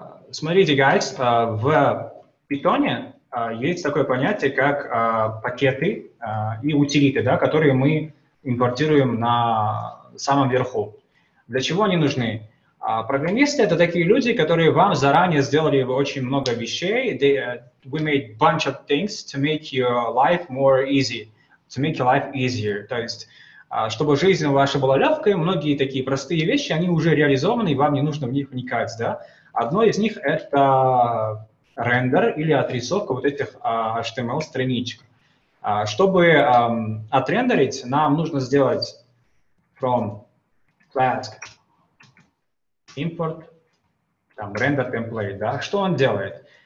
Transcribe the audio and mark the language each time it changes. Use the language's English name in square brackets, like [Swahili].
[Russian] Смотрите, guys, в Питоне есть такое понятие, как пакеты и утилиты, да, которые мы импортируем на самом верху. Для чего они нужны? Программисты — это такие люди, которые вам заранее сделали очень много вещей. [English] We made a bunch of things to make your life more easy, to make your life easier. [Russian] То есть, чтобы жизнь ваша была легкой, многие такие простые вещи, они уже реализованы, и вам не нужно в них вникать, да? Одно из них — это рендер или отрисовка вот этих HTML-страничек. Чтобы отрендерить, нам нужно сделать [English] from task import [Russian] там, render template. Да? Что он делает?